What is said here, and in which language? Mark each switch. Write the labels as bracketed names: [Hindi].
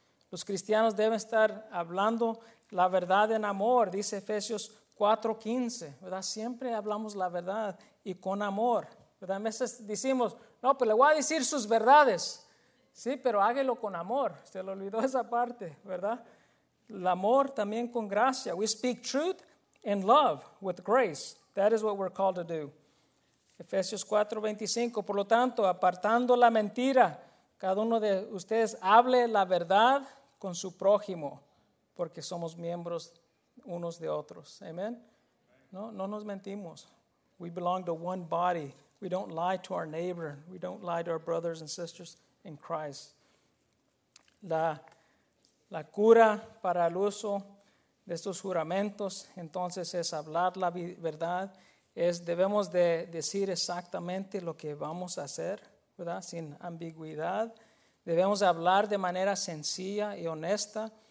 [Spanish] Los cristianos deben estar hablando la verdad en amor, dice Efesios 4:15, ¿verdad? Siempre hablamos la verdad y con amor, ¿verdad? A veces decimos, no, pero le voy a decir sus verdades. Sí, pero hágalo con amor. Se le olvidó esa parte, ¿verdad? El amor también con gracia. [English] We speak truth in love with grace. That is what we're called to do. [Spanish] Efesios 4:25, por lo tanto, apartando la mentira, cada uno de ustedes hable la verdad con su prójimo, porque somos miembros unos de otros. [English] Amen. [Spanish] No, no nos mentimos. [English] We belong to one body. We don't lie to our neighbor. We don't lie to our brothers and sisters in Christ. [Spanish] La cura para el uso de estos juramentos, entonces, es hablar la verdad. Debemos de decir exactamente lo que vamos a hacer, ¿verdad? Sin ambigüedad. Debemos hablar de manera sencilla y honesta.